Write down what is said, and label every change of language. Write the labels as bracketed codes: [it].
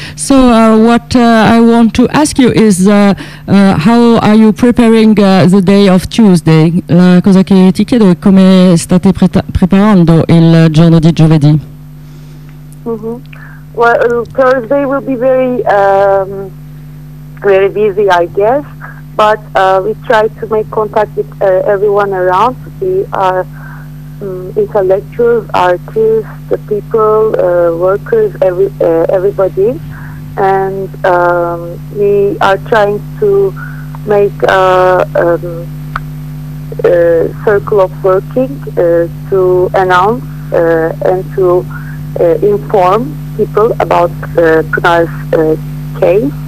[en] So what I want to ask you is how are you preparing the day of Tuesday? [it] La cosa che ti chiedo è come state preparando il giorno di giovedì? Mm-hmm. [en] Well, Thursday will be very very busy, I guess, but we try to make contact with everyone around. We are intellectuals, artists, the people, workers, everybody, and we are trying to make a circle of working to announce and to inform people about Pinar's case.